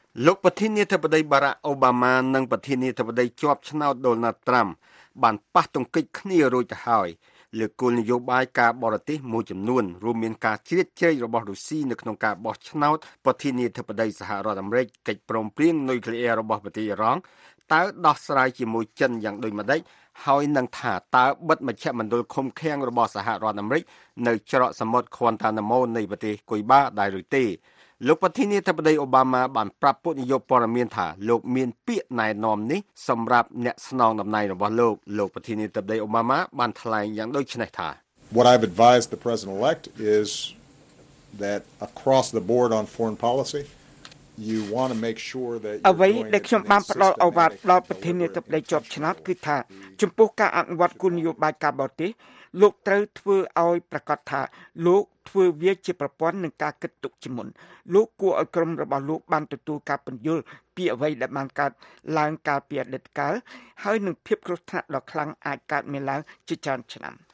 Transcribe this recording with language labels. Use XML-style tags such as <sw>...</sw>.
<km>លោកប្រធានាធិបតីបារ៉ាអូបាម៉ានិងប្រធានាធិបតីជាប់ឆ្នោតដូណាល់ត្រាំបានប៉ះទង្គិចគ្នារួចទៅហើយលើគោលនយោបាយការបរទេសមួយចំនួនរួមមានការជ្រៀតជ្រែករបស់រុស្ស៊ីនៅក្នុងការបោះឆ្នោតប្រធានាធិបតីសហរដ្ឋអាមេរិកកិច្ចព្រមព្រៀងនុយក្លេអ៊ែររបស់ប្រទេសអ៊ីរ៉ង់តើដោះស្រាយជាមួយចិនយ៉ាងដូចម្តេចហើយនឹងថាតើបិទមជ្ឈមណ្ឌលឃុំឃាំងរបស់សហរដ្ឋអាមេរិកនៅច្រកសមុទ្រខ្វាន់តាណាមូនៃប្រទេសគុយបាដែរឬទេ លោកប្រធានាធិបតីអូបាម៉ាបានប្រាប់ពួកនាយកព័ត៌មានថាលោកមានពាក្យណែនាំនេះសម្រាប់អ្នកស្នងតំណែងរបស់លោកលោកប្រធានាធិបតីអូបាម៉ាបានថ្លែងយ៉ាងដូចនេះថា</km> <en>What I've advised the president elect is that across the board on foreign policy you want to make sure that</en> <km>អ្វីដែលខ្ញុំបានផ្ដល់អូវាទដល់ប្រធានាធិបតីជាប់ឆ្នោតគឺថាចំពោះការអនុវត្តគោលនយោបាយការបរទេសលោកត្រូវធ្វើឲ្យប្រកាសថាលោកធ្វើវាជាប្រព័ន្ធនឹងការគិតទុកជាមុនលោកគួរឲ្យក្រុមរបស់លោកបានទទួលការពន្យល់ពីអ្វីដែលបានកើតឡើងកាលពីអតីតកាលហើយនឹងភាពគ្រោះថ្នាក់ដ៏ខ្លាំងអាចកើតមានឡើងជាច្រើនឆ្នាំ</km>